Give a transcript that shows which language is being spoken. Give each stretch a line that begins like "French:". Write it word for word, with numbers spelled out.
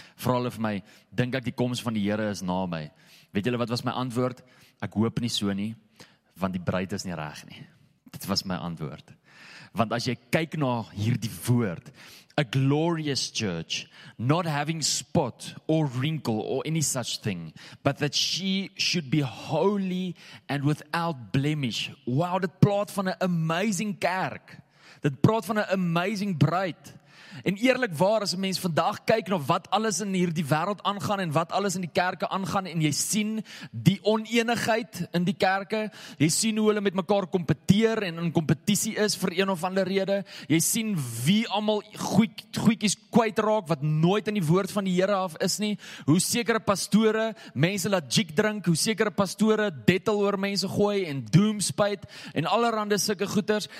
Afrikaans: Vra hulle vir my, dink ek die koms van die Here is naby? Weet julle wat was my antwoord? Ek hoop nie so nie, want die bruid is nie reg nie. Dit was my antwoord. Want as jy kyk na hierdie woord,
English: a glorious church, not having spot or wrinkle or any such thing, but that she should be holy and without blemish.
Afrikaans: Wow, dit praat van 'n amazing kerk. Dit praat van 'n amazing bruid. En eerlikwaar, as 'n mens vandag kyk na wat alles in hierdie wêreld aangaan en wat alles in die kerke aangaan en jy sien die oneenigheid in die kerke, jy sien hoe hulle met mekaar kompeteer en in kompetisie is vir een of ander rede, jy sien wie almal goed goedjies kwytraak wat nooit in die woord van die Here af is nie, hoe sekere pastore mense laat jig drink, hoe sekere pastore dettel oor mense gooi en doomspuit en allerlei sulke goeters.